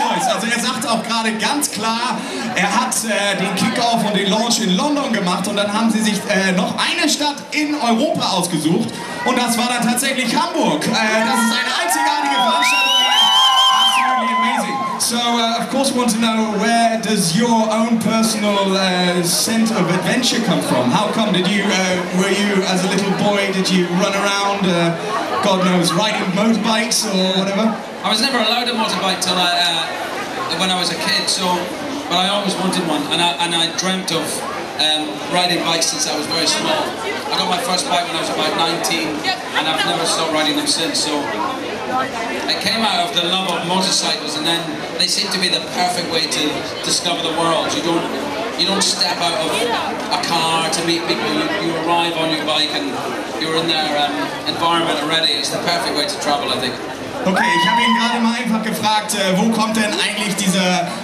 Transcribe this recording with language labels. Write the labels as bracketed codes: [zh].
[de] Also er sagt auch gerade ganz klar, er hat den Kickoff und den Launch in London gemacht und dann haben sie sich noch eine Stadt in Europa ausgesucht und das war dann tatsächlich Hamburg. Das ist eine einzigartige Veranstaltung. [en] Absolutely amazing. So of course we want to know, where does your own personal scent of adventure come from? How come did you, were you as a little boy, did you run around, God knows, riding motorbikes or whatever? I was never allowed a motorbike till when I was a kid, but I always wanted one, and I dreamt of riding bikes since I was very small. I got my first bike when I was about 19, and I've never stopped riding them since, so it came out of the love of motorcycles, and then they seem to be the perfect way to discover the world. You don't step out of a car to meet people, you arrive on your bike and you're in their environment already. It's the perfect way to travel, I think. [de] Okay, ich habe ihn gerade mal einfach gefragt, wo kommt denn eigentlich dieser